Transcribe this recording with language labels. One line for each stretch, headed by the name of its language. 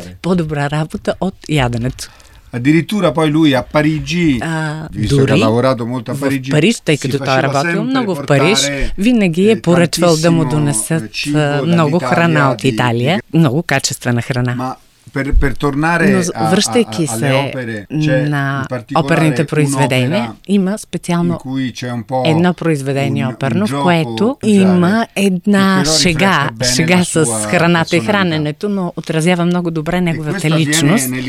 Bulgarian: по-добра работа от яденето.
Italian: Addirittura poi lui a Parigi, visto che ha lavorato molto a Parigi,
Bulgarian: Париж, тъй като той е работил много в Париж, винаги е поръчвал да му донесат много храна от Италия, много качествена храна. Но връщайки се на оперните произведения, има специално едно произведение оперно, в което има една шега, шега с храната и храненето, но отразява много добре неговата личност.